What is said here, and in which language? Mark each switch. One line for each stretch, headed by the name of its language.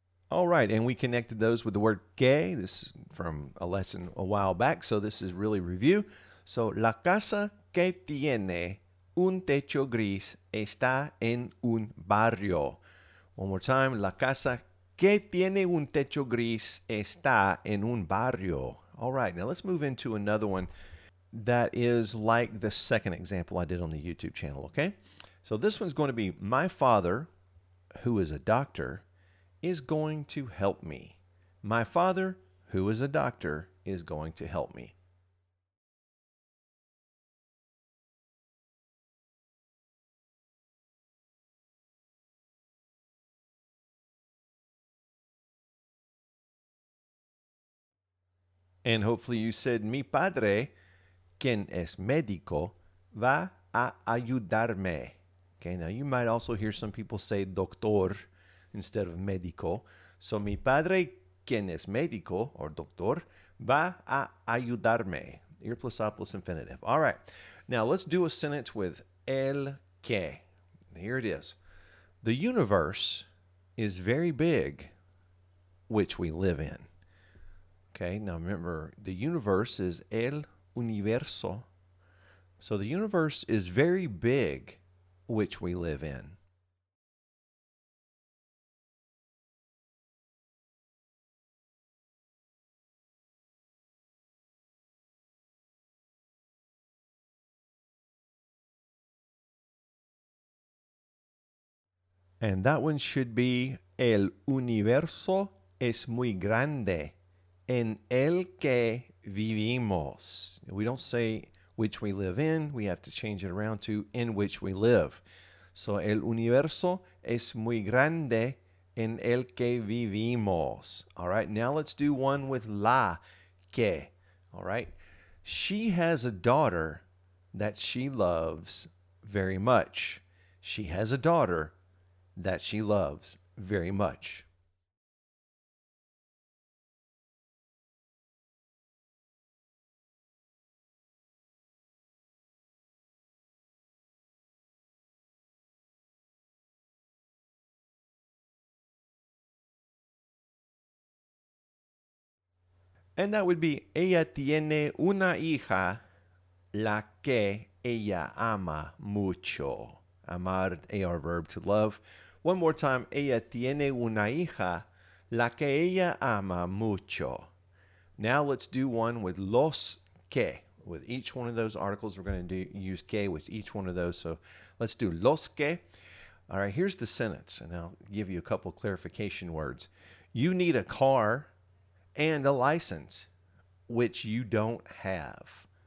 English: All right, and we connected those with the word que. This is from a lesson a while back, so this is really review.
Spanish: So, la casa que tiene un techo gris está en un barrio.
English: One more time.
Spanish: La casa que tiene un techo gris está en un barrio.
English: All right, now let's move into another one that is like the second example I did on the YouTube channel, okay? So, this one's going to be my father, who is a doctor, is going to help me. My father, who is a doctor, is going to help me. And hopefully you said,
Spanish: mi padre, quien es médico, va a ayudarme.
English: Okay, now you might also hear some people say doctor instead of médico.
Spanish: So mi padre, quien es médico, or doctor, va a ayudarme.
English: Ear plus op plus infinitive. All right. Now let's do a sentence with el que. Here it is. The universe is very big, which we live in. Okay. Now remember, the universe is el universo. So the universe is very big, which we live in. And that one should be,
Spanish: el universo es muy grande en el que vivimos.
English: We don't say which we live in. We have to change it around to in which we live.
Spanish: So, el universo es muy grande en el que vivimos.
English: All right, now let's do one with la que. All right. She has a daughter that she loves very much. She has a daughter that she loves very much. And that would be,
Spanish: ella tiene una hija, la que ella ama mucho.
English: Amar, AR verb, to love. One more time,
Spanish: ella tiene una hija, la que ella ama mucho.
English: Now let's do one with los que. With each one of those articles, we're going to use que with each one of those. So let's do los que. All right, here's the sentence, and I'll give you a couple clarification words. You need a car and a license, which you don't have.